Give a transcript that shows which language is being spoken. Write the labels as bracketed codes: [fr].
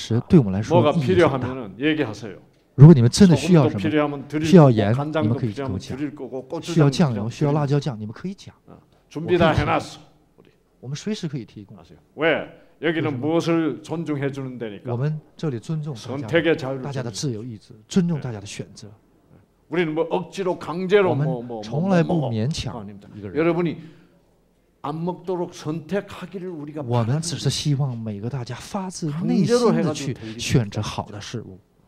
[zh] 打造出来的，这种假我使我们的遗传基因发生定律。这种爱与情面、腼腆的心理，就是假我所使的。所以，饮食，吃什么样的饮食，对我们来说意义很大。如果你们真的需要什么，需要盐，你们可以给我讲；需要酱油，需要辣椒酱，你们可以讲。 [ko] 준비다 해놨어. [zh] 我们随时可以提供。 [ko] 왜 여기는 무엇을 존중해 주는 데니까? [zh] 我们这里尊重 [ko] 선택의 자유, [zh] 大家的 自由 意志, 尊重 大家的 选择. [ko] 우리는 뭐 억지로 강제로 뭐 [zh] 从来不勉强. [ko] 여러분이 안 먹도록 선택하기를 우리가. [zh] 我们只是希望每个大家发自内心的去选择好的事物.